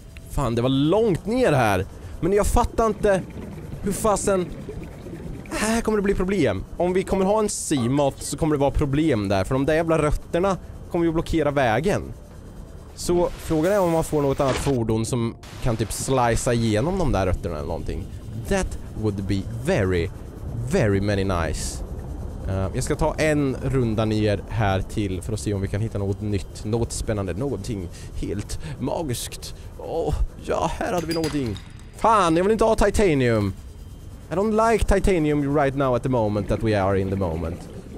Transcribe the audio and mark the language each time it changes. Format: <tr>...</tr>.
<sv>Fan, det var långt ner här. Men jag fattar inte hur fasen... Här kommer det bli problem. Om vi kommer ha en Seamoth så kommer det vara problem där. För de där jävla rötterna kommer ju blockera vägen. Så frågan är om man får något annat fordon som kan typ slicea igenom de där rötterna eller någonting.</sv> <en>That would be very, very many nice.</en> <sv>Jag ska ta en runda ner här till för att se om vi kan hitta något nytt, något spännande, någonting helt magiskt. Ja, här hade vi någonting. Fan, jag vill inte ha titanium.</sv> <en>I don't like titanium right now at the moment that we are in the moment.</en>